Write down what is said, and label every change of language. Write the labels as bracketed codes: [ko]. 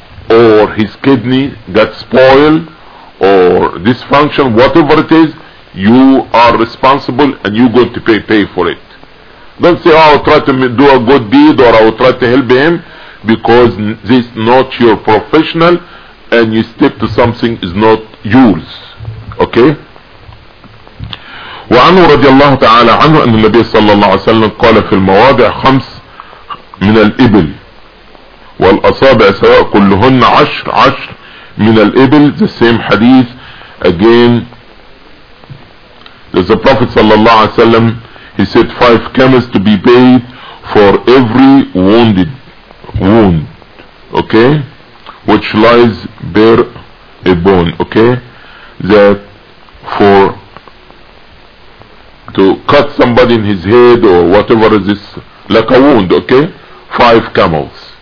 [en] or his kidney got spoiled or dysfunction, whatever it is, you are responsible and you're going to pay for it. Don't say, oh, I'll try to do a good deed or I'll try to help him, because this is not your professional and you step to something is not yours. Okay. [ar] وعنه رضي الله تعالى عنه أن النبي صلى الله عليه وسلم قال في المواضع خمس من الإبل والأصابع سواء كلهن عشر عشر من الإبل. [en] The same hadith again. The Prophet صلى الله عليه وسلم, he said five camels to be paid for every wounded wound. Okay, which lies bare a bone. Okay, that for to cut somebody in his head or whatever it is, like a wound, okay? Five camels.